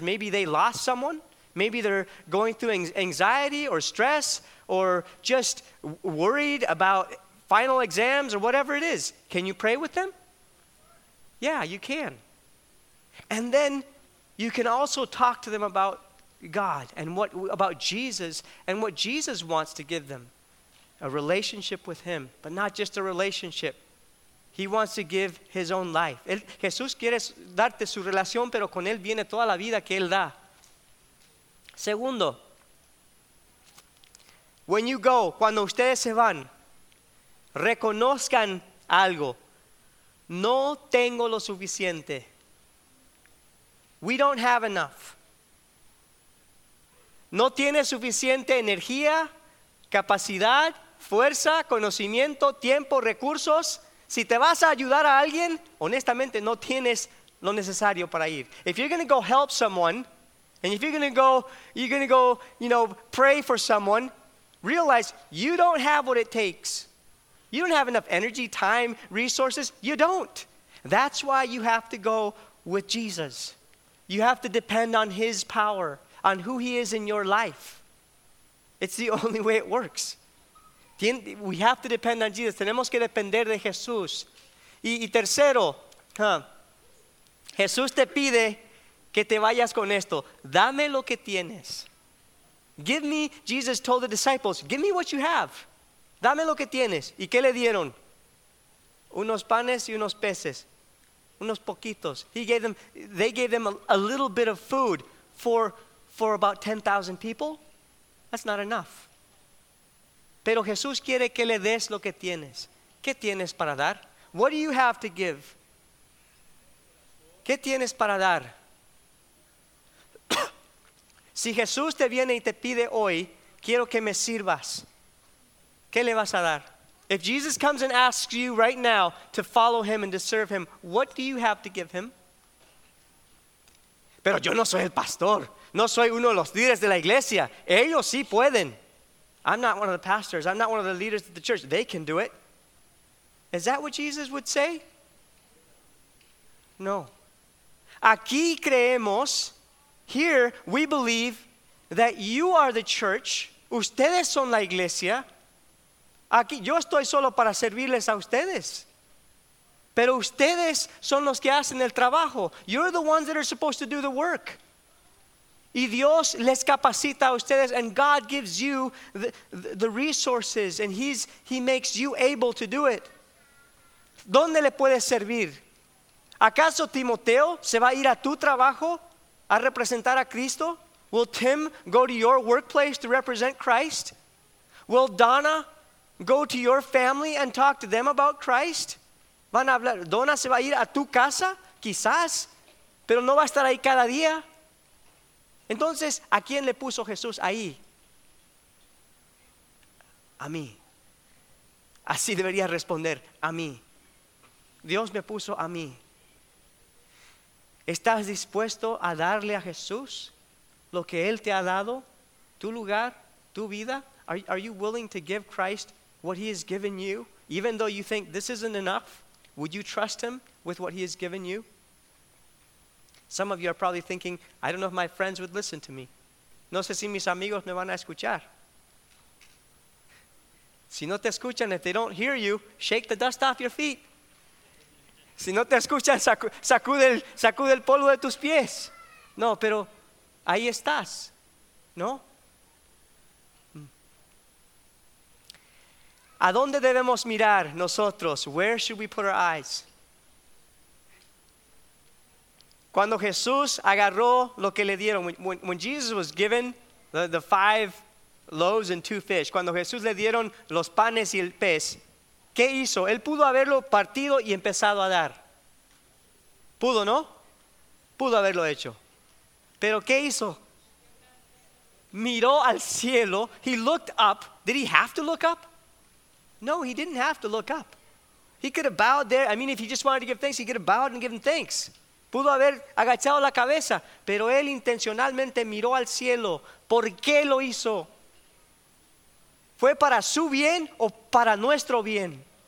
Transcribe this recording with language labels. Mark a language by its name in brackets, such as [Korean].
[English] Maybe they lost someone. Maybe they're going through anxiety or stress or just worried about final exams or whatever it is. Can you pray with them? Yeah, you can. And then you can also talk to them about God and what about Jesus and what Jesus wants to give them. A relationship with Him, but not just a relationship. He wants to give His own life. [Spanish] Jesús quiere darte su relación, pero con Él viene toda la vida que Él da. Segundo, [English] when you go, [Spanish] cuando ustedes se van, reconozcan algo. No tengo lo suficiente. [English] We don't have enough. [Spanish] No tiene suficiente energía, capacidad, fuerza, conocimiento, tiempo, recursos. Si te vas a ayudar a alguien, honestamente no tienes lo necesario para ir. [English] If you're going to go help someone, and if you're going to go, pray for someone, realize you don't have what it takes. You don't have enough energy, time, resources. You don't. That's why you have to go with Jesus. You have to depend on His power, on who He is in your life. It's the only way it works. We have to depend on Jesus. [Spanish] Tenemos que depender de Jesús. Y tercero, Jesús te pide que te vayas con esto. Dame lo que tienes. [English] Give me, Jesus told the disciples, give me what you have. [Spanish] Dame lo que tienes. ¿Y qué le dieron? Unos panes y unos peces. Unos poquitos. [English] They gave them a little bit of food for about 10,000 people. That's not enough. [Spanish] Pero Jesús quiere que le des lo que tienes. ¿Qué tienes para dar? [English] What do you have to give? [Spanish] ¿Qué tienes para dar? Si Jesús te viene y te pide hoy, quiero que me sirvas, ¿qué le vas a dar? [English] If Jesus comes and asks you right now to follow Him and to serve Him, what do you have to give Him? [Spanish] Pero yo no soy el pastor. No soy uno de los líderes de la iglesia. Ellos sí pueden. [English] I'm not one of the pastors. I'm not one of the leaders of the church. They can do it. Is that what Jesus would say? No. [Spanish] Aquí creemos, [English] here we believe that you are the church. [Spanish] Ustedes son la iglesia. Aquí yo estoy solo para servirles a ustedes. Pero ustedes son los que hacen el trabajo. [English] You're the ones that are supposed to do the work. [Spanish] Y Dios les capacita a ustedes, [English] and God gives you the resources, and He makes you able to do it. [Spanish] ¿Dónde le puedes servir? ¿Acaso Timoteo se va a ir a tu trabajo a representar a Cristo? [English] Will Tim go to your workplace to represent Christ? Will Donna go to your family and talk to them about Christ? [Spanish] ¿Van a hablar? ¿Donna se va a ir a tu casa? Quizás, pero no va a estar ahí cada día. Entonces, ¿a quién le puso Jesús ahí? A mí. Así debería responder, a mí. Dios me puso a mí. ¿Estás dispuesto a darle a Jesús lo que Él te ha dado? ¿Tu lugar, tu vida? [English] Are you willing to give Christ what He has given you? Even though you think this isn't enough, would you trust Him with what He has given you? Some of you are probably thinking, I don't know if my friends would listen to me. [Spanish] No sé si mis amigos me van a escuchar. Si no te escuchan, [English] if they don't hear you, shake the dust off your feet. [Spanish] Si no te escuchan, sacude el polvo de tus pies. No, pero ahí estás, ¿no? ¿A dónde debemos mirar nosotros? [English] Where should we put our eyes? [Spanish] Cuando Jesús agarró lo que le dieron, [English] when Jesus was given the five loaves and two fish, [Spanish] cuando Jesús le dieron los panes y el pez, ¿qué hizo? Él pudo haberlo partido y empezado a dar. Pudo, ¿no? Pudo haberlo hecho. ¿Pero qué hizo? miró al cielo, [English] he looked up. Did he have to look up? No, he didn't have to look up. He could have bowed there. I mean, if he just wanted to give thanks, he could have bowed and given thanks. [Spanish] Pudo haber agachado la cabeza, pero él intencionalmente miró al cielo. ¿Por qué lo hizo? ¿Fue para su bien o para nuestro bien?